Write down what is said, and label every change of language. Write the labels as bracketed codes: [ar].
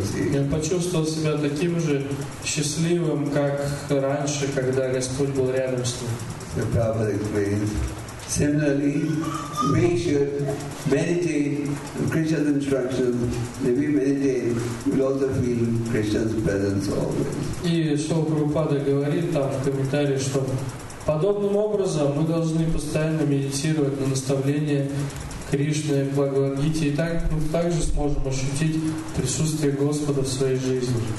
[ru] я почувствовал себя таким же счастливым, как раньше, когда Господь был рядом с ним. [en] The Prabhupada explains, similarly, we should meditate on Krishna's instructions. When we meditate, we'll also feel Krishna's presence always. [ru] И Шрила Прабхупада говорит там в комментарии, что подобным образом мы должны постоянно медитировать на наставления Кришны, Бхагавад-гите, и так мы также сможем ощутить присутствие Господа в своей жизни.